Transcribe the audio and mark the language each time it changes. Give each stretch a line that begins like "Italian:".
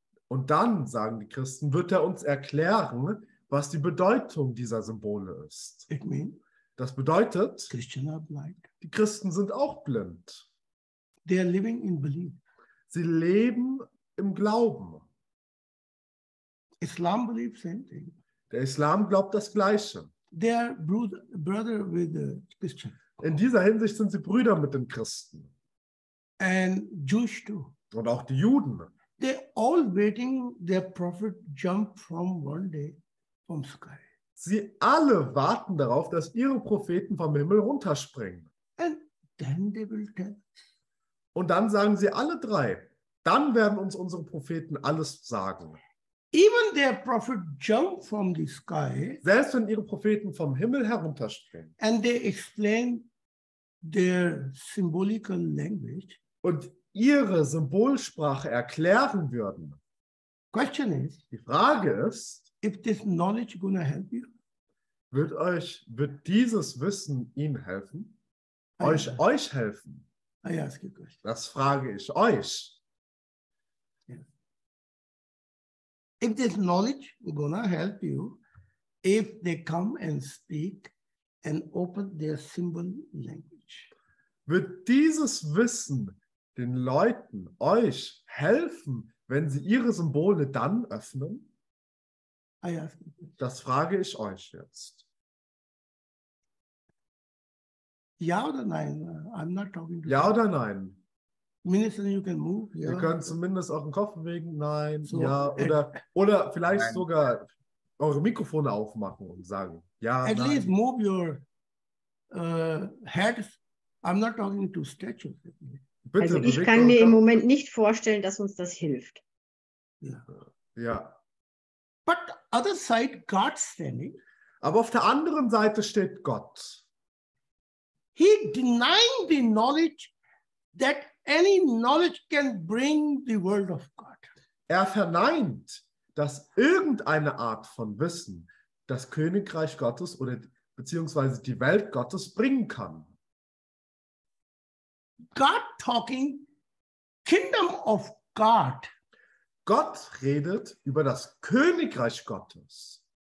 German: Und dann, sagen die Christen, wird er uns erklären, was die Bedeutung dieser Symbole ist.
English: It mean,
German: das bedeutet,
English: Christians are blind.
German: Die Christen sind auch blind.
English: They are living in belief.
German: Sie leben im Glauben.
English: Islam believes same thing.
German: Der Islam glaubt das Gleiche.
English: They are brother with the Christian.
German: In dieser Hinsicht sind sie Brüder mit den Christen.
English: And Jews too.
German: Und auch die Juden.
English: They all waiting their prophet jump from one day from sky.
German: Sie alle warten darauf, dass ihre Propheten vom Himmel runterspringen.
English: And then they will tell.
German: Und dann sagen sie alle drei, dann werden uns unsere Propheten alles sagen.
English: Even their prophet jump from the sky.
German: Selbst wenn ihre Propheten vom Himmel herunterspringen.
English: And they explain their symbolical language.
German: Und ihre Symbolsprache erklären würden.
English: Question is,
German: die Frage ist,
English: if this knowledge gonna help you?
German: Wird dieses Wissen Ihnen helfen? Euch helfen?
English: I ask you a question.
German: Das frage ich euch.
English: Yeah. If this knowledge gonna help you, if they come and speak and open their symbol language.
German: Wird dieses Wissen den Leuten, euch helfen, wenn sie ihre Symbole dann öffnen? Das frage ich euch jetzt. Ja oder nein?
English: I'm not talking
German: to ja oder nein?
English: Minister, you can move.
German: Ja. Ihr könnt zumindest auch den Kopf bewegen. Nein, so. Ja. Oder vielleicht nein. Sogar eure Mikrofone aufmachen und sagen, ja,
English: at
German: nein.
English: At least move your head. I'm not talking to statues.
German: Bitte, also ich kann mir im Moment nicht vorstellen, dass uns das hilft. Ja.
English: But other side, God's standing.
German: Aber auf der anderen Seite steht Gott.
English: He denying the knowledge that any knowledge can bring the world of God.
German: Er verneint, dass irgendeine Art von Wissen das Königreich Gottes oder beziehungsweise die Welt Gottes bringen kann.
English: God talking kingdom of God.
German: Gott redet über das Königreich Gottes.